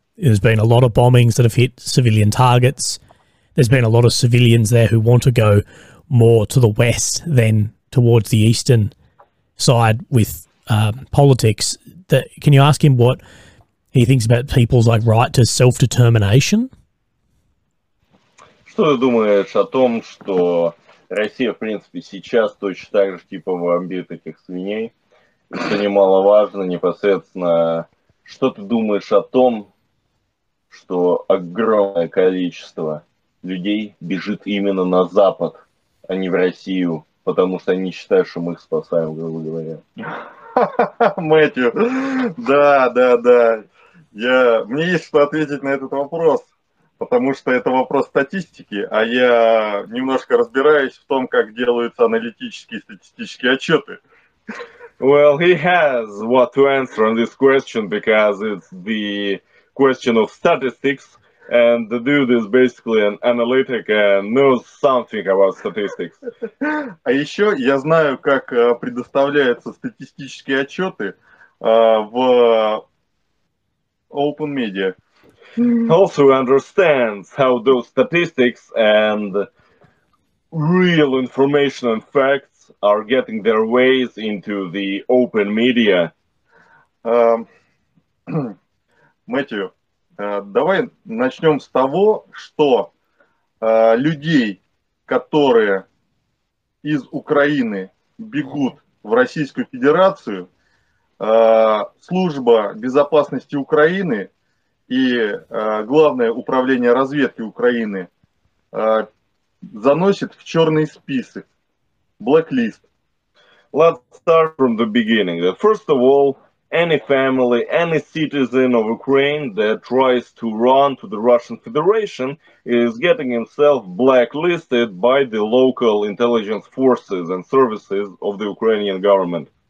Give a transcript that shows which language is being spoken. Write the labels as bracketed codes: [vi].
[en] There's been a lot of bombings that have hit civilian targets. There's been a lot of civilians there who want to go more to the west than towards the eastern side with politics. That, can you ask him what he thinks about people's like right to self-determination? [ru] Что ты думаешь о том, что Россия, в принципе, сейчас точно так же типа вомбит этих свиней? Это немаловажно непосредственно. Что ты думаешь о том, что огромное количество людей бежит именно на Запад, а не в Россию? Потому что они считают, что мы их спасаем, грубо говоря. Мэтью, да. Мне есть что ответить на этот вопрос, потому что это вопрос статистики, а я немножко разбираюсь в том, как делаются аналитические и статистические отчеты. [en] Well, he has what to answer on this question, because it's the question of statistics, and the dude is basically an analytic and knows something about statistics. [ru] А еще я знаю, как предоставляются статистические отчеты в [en] open media. Also understands how those statistics and real information and facts are getting their ways into the open media. [ru] Мэтью, давай начнем с того, что людей, которые из Украины бегут в Российскую Федерацию, служба безопасности Украины и главное управление разведки Украины заносит в черный список, blacklist. [en] Let's start from the beginning. First of all, any family, any citizen of Ukraine that tries to run to the Russian Federation is getting himself blacklisted by the local intelligence forces and services of the Ukrainian government.